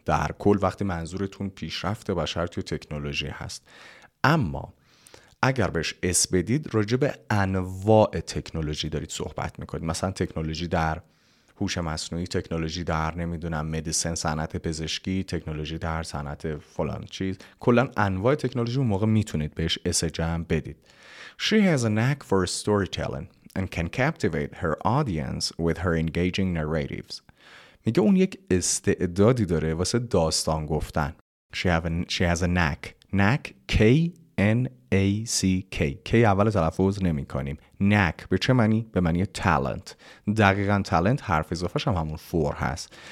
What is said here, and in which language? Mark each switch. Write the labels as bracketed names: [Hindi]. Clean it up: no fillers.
[Persian] در کل وقتی منظورتون پیشرفت بشر توی تکنولوژی هست، اما اگر بهش اس بدید راجع به انواع تکنولوژی دارید صحبت میکنید. مثلا تکنولوژی در هوش مصنوعی، تکنولوژی در نمیدونم مدیسن، صنعت پزشکی، تکنولوژی در صنعت فلان چیز، کلن انواع تکنولوژی اون موقع میتونید بهش اس جمع بدید. [English] She has a knack for storytelling and can captivate her audience with her engaging narratives. [Persian] میگه اون یک استعدادی داره واسه داستان گفتن. [English] She has a knack. Knack, K-N-A-C-K. [Persian] K اول تلفظ نمی کنیم. Knack به چه معنی؟ به معنی talent. دقیقا talent حرف اضافهش هم همون for هست.